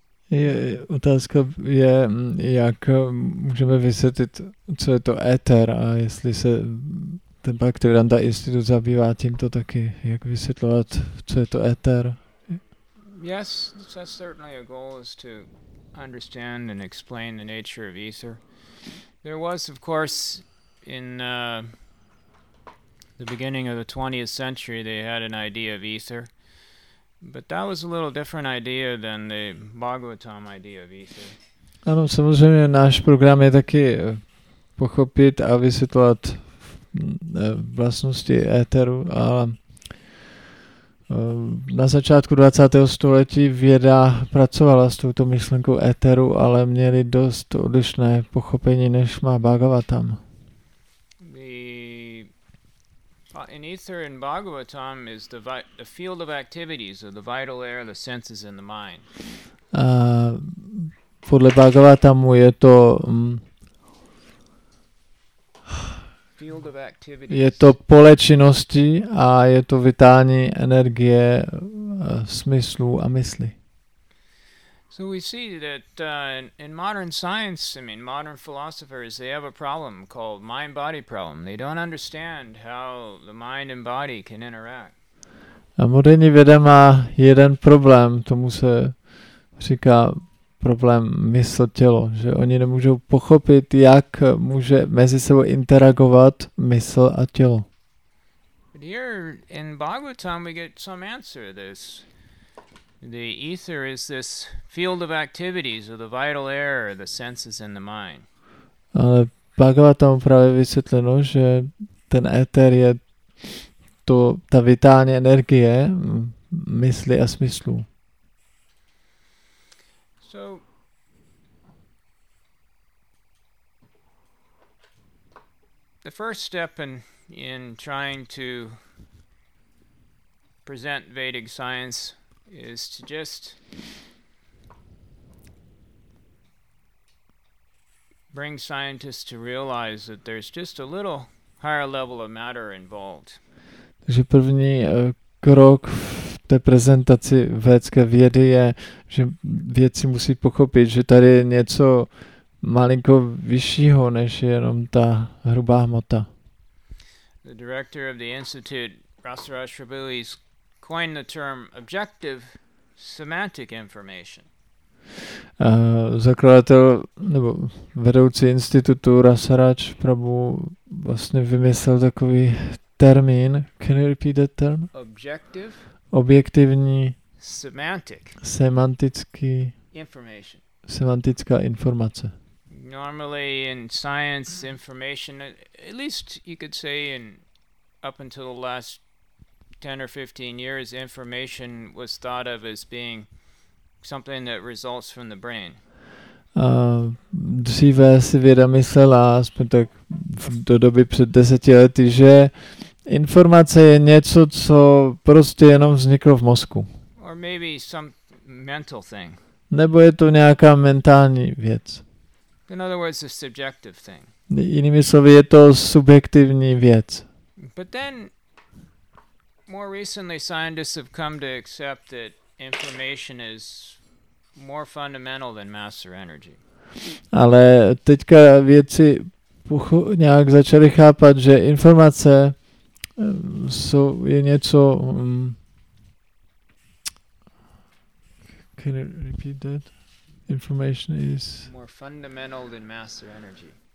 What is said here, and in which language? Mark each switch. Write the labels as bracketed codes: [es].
[cs] Je, otázka je, jak můžeme vysvětlit, co je to éter a jestli se ten Bhaktivedanta institut zabývá tímto taky, jak vysvětlovat, co je to éter. [en] Yes, that's certainly a goal is to understand and explain the nature of ether. There was, of course, in the beginning of the 20th century, they had an idea of ether. But that was a little different idea than the Bhagavatam idea of ether. [cs] Ano, samozřejmě náš program je taky pochopit a vysvětlovat vlastnosti éteru, ale na začátku 20. století věda pracovala s touto myšlenkou éteru, ale měli dost odlišné pochopení než má Bhagavatam. [en] In ether in Bhagavatam is the field of activities of the vital air, the senses and the mind. [cs] Podle Bhagavatamu je to [en] field of activities. [cs] Je to pole činnosti a je to vitální energie smyslu a mysli. [en] So we see that in modern science, I mean modern philosophers, they have a problem called mind-body problem. They don't understand how the mind and body can interact. [cs] A moderní věda má jeden problém, tomu se říká problém mysl tělo, že oni nemůžou pochopit, jak může mezi sebou interagovat mysl a tělo. [en] Here in Bhagavatam we get some answer to this. The ether is this field of activities of the vital air, the senses and the mind. [cs] Ale Bhagavatam právě vysvětleno, že ten éter je to, ta vitální energie mysli a smyslu. [en] So, the first step in trying to present Vedic science is to just bring scientists to realize that there's just a little higher level of matter involved. [cs] Takže první krok v té prezentaci vědecké vědy je, že vědci musí pochopit, že tady je něco malinko vyššího než jenom ta hrubá hmota. [en] The director of the institute, Rasaraj Prabhu, he's coined the term objective semantic information. [cs] Zakladatel nebo vedoucí institutu Rasaraj Prabhu vlastně vymyslel takový termín. [en] Can you repeat that term? Objective. [cs] Objektivní. [en] Semantic. [cs] Semantický. [en] Information. [cs] Semantická informace. [en] Normally in science, information, at least you could say in up until the last 10 or 15 years, information was thought of as being something that results from the brain. [cs] Dříve si věda myslela, aspoň tak do doby před 10 lety, že informace je něco, co prostě jenom vzniklo v mozku. [en] Or maybe some mental thing. [cs] Nebo je to nějaká mentální věc. [en] In other words, a subjective thing. [cs] Jinými slovy, je to subjektivní věc. [en] But then, more recently, scientists have come to accept that information is more fundamental than mass or energy. [cs] Ale teďka vědci nějak začali chápat, že informace je něco. [en] Can you repeat that? Information is more fundamental than mass or energy.